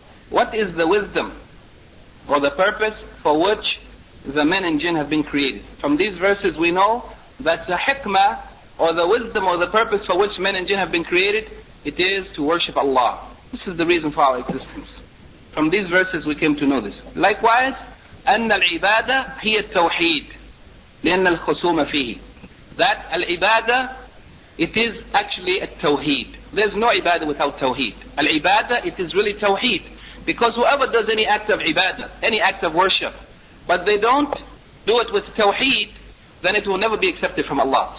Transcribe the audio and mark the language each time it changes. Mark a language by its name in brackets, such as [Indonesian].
[English] What is the wisdom or the purpose for which the men and jinn have been created? From these verses we know that the hikmah, or the wisdom, or the purpose for which men and jinn have been created, it is to worship Allah. This is the reason for our existence. From these verses we came to know this. Likewise, [Arabic] أَنَّ الْعِبَادَةَ هِيَ التَّوْحِيدِ لِأَنَّ الْخُصُومَ فِيهِ. [English] That al-ibadah, it is actually a tawheed. There's no ibadah without tawheed. Al-ibadah, it is really tawheed. Because whoever does any act of ibadah, any act of worship, but they don't do it with tawheed, then it will never be accepted from Allah.